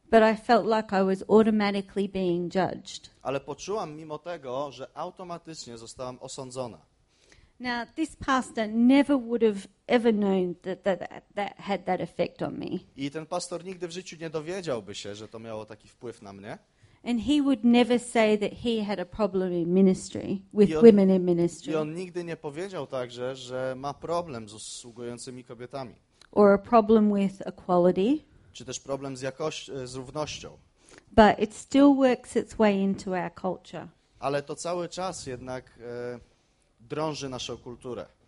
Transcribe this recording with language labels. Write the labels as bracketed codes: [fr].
[en] But I felt like I was automatically being judged. [pl] Ale poczułam mimo tego, że automatycznie zostałam osądzona. [en] Now this pastor never would have ever known that had that effect on me. [pl] I ten pastor nigdy w życiu nie dowiedziałby się, że to miało taki wpływ na mnie. [en] And he would never say that he had a problem in ministry with women in ministry. [pl] I on nigdy nie powiedział także, że ma problem z usługującymi kobietami. [en] Or a problem with equality. [pl] Czy też problem z równością. [en] But it still works its way into our culture. [pl] Ale to cały czas jednak drąży naszą kulturę.